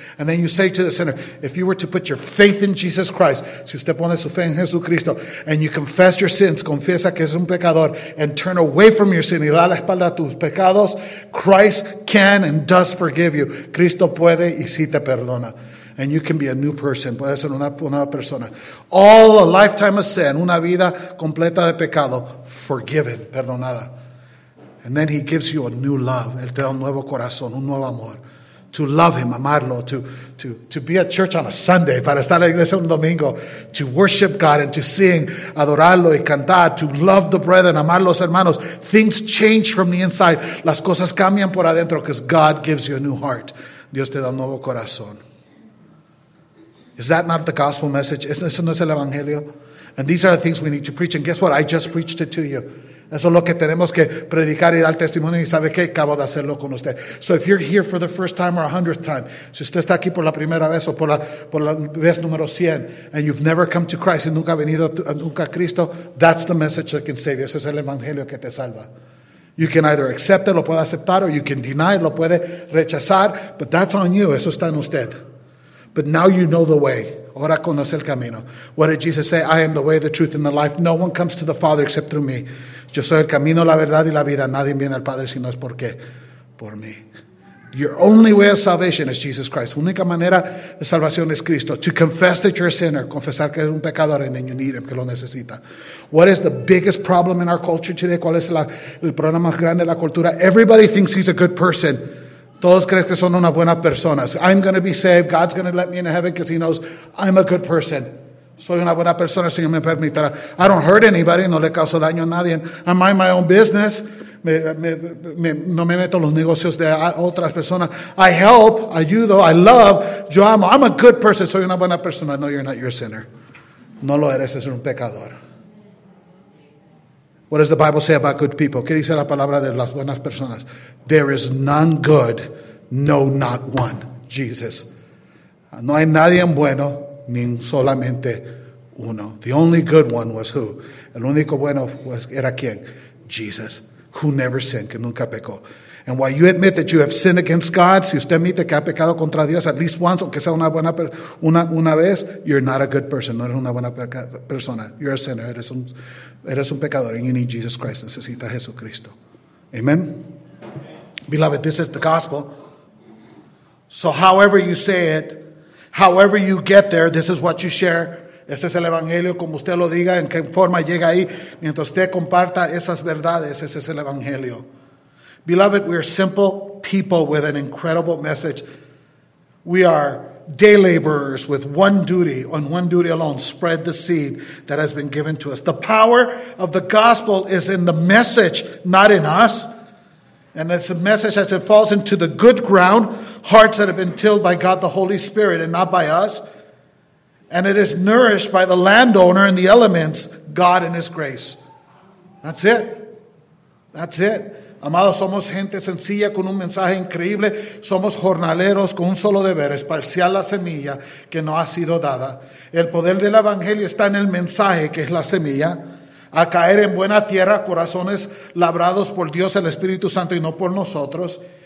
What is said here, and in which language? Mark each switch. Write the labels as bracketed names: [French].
[English] And then you say to the sinner, if you were to put your faith in Jesus Christ, [Spanish] si usted pone su fe en Jesucristo, [English] and you confess your sins, [Spanish] confiesa que es un pecador, [English] and turn away from your sin [Spanish] y da la espalda a tus pecados, [English] Christ can and does forgive you. [Spanish] Cristo puede y sí te perdona. [English] And you can be a new person. [Spanish] Puede ser una nueva persona. [English] All a lifetime of sin, [Spanish] una vida completa de pecado, [English] forgiven, [Spanish] perdonada. [English] And then he gives you a new love. [Spanish] Él te da un nuevo corazón, un nuevo amor. [English] To love him, [Spanish] amarlo, [English] to be at church on a Sunday, [Spanish] para estar en la iglesia un domingo, [English] to worship God and to sing, [Spanish] adorarlo y cantar, [English] to love the brethren, [Spanish] amar los hermanos. [English] Things change from the inside. [Spanish] Las cosas cambian por adentro [English] because God gives you a new heart. [Spanish] Dios te da un nuevo corazón. [English] Is that not the gospel message? [Spanish] ¿Eso no es el evangelio? [English] And these are the things we need to preach. And guess what? I just preached it to you. [Spanish] Eso es lo que tenemos que predicar y dar testimonio. ¿Y sabe qué? Acabo de hacerlo con usted. [English] So if you're here for the first time or 100th time, [Spanish] si usted está aquí por la primera vez o por la vez número 100, [English] and you've never come to Christ, [Spanish] y nunca ha venido nunca a Cristo, [English] that's the message that can save you. [Spanish] Ese es el evangelio que te salva. [English] You can either accept it, [Spanish] lo puede aceptar, [English] or you can deny it, [Spanish] lo puede rechazar, [English] but that's on you. [Spanish] Eso está en usted. [English] But now you know the way. [Spanish] Ahora conoce el camino. [English] What did Jesus say? I am the way, the truth, and the life. No one comes to the Father except through me. [Spanish] Yo soy el camino, la verdad, y la vida. Nadie viene al Padre si no es por qué. Por mí. [English] Your only way of salvation is Jesus Christ. [Spanish] Única manera de salvación es Cristo. [English] To confess that you're a sinner. [Spanish] Confesar que eres un pecador [English] and then you need him, [Spanish] que lo necesita. [English] What is the biggest problem in our culture today? [Spanish] ¿Cuál es el problema más grande de la cultura? [English] Everybody thinks he's a good person. [Spanish] Todos creen que son una buena persona. [English] I'm going to be saved. God's going to let me into heaven because he knows I'm a good person. [Spanish] Soy una buena persona, si me permitirá. [English] I don't hurt anybody. [Spanish] No le causo daño a nadie. [English] I mind my own business. [Spanish] No me meto en los negocios de otras personas. [English] I help. [Spanish] Ayudo. [English] I love. [Spanish] Yo amo. [English] I'm a good person. [Spanish] Soy una buena persona. [English] No, you're not. You're a sinner. [Spanish] No lo eres. Es un pecador. [English] What does the Bible say about good people? [Spanish] ¿Qué dice la palabra de las buenas personas? [English] There is none good, no, not one, Jesus. [Spanish] No hay nadie bueno, ni solamente uno. [English] The only good one was who? [Spanish] El único bueno era quién? [English] Jesus, who never sinned, [Spanish] que nunca pecó. [English] And while you admit that you have sinned against God, [Spanish] si usted admite que ha pecado contra Dios [English] at least once, [Spanish] aunque sea una vez, [English] you're not a good person. [Spanish] No eres una buena persona. [English] You're a sinner. [Spanish] Eres un pecador. [English] And you need Jesus Christ. [Spanish] Necesita Jesucristo. [English] Amen? Beloved, this is the gospel. So however you say it, however you get there, this is what you share. [Spanish] Este es el evangelio, como usted lo diga, en qué forma llega ahí. Mientras usted comparta esas verdades, ese es el evangelio. [English] Beloved, we are simple people with an incredible message. We are day laborers with one duty alone, spread the seed that has been given to us. The power of the gospel is in the message, not in us. And it's a message as it falls into the good ground, hearts that have been tilled by God the Holy Spirit and not by us. And it is nourished by the landowner and the elements, God and his grace. That's it. That's it. [Spanish] Amados, somos gente sencilla con un mensaje increíble. Somos jornaleros con un solo deber, esparciar la semilla que no ha sido dada. El poder del evangelio está en el mensaje que es la semilla. A caer en buena tierra, corazones labrados por Dios, el Espíritu Santo y no por nosotros.